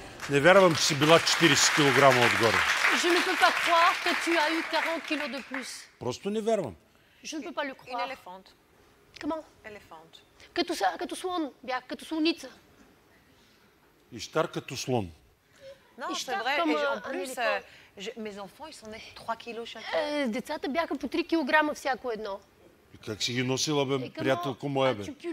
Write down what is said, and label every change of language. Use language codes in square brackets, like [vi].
[bg] Не вярвам, че си била 40 кг отгоре. [fr] Je ne peux pas croire que tu as eu 40 kg de plus. [bg] Просто не вярвам. [fr] Je ne peux pas le croire. Une éléphante. Comment? Éléphante. [bg] Като са, като слон, бях като слоница. Ищар като слон. [fr] Non, c'est vrai. Comme, en plus, mes enfants, ils sont nés 3 kg chacun. [bg] Децата бяха по 3 кг всяко едно. И как си ги носила, бе, приятелко моя, бе?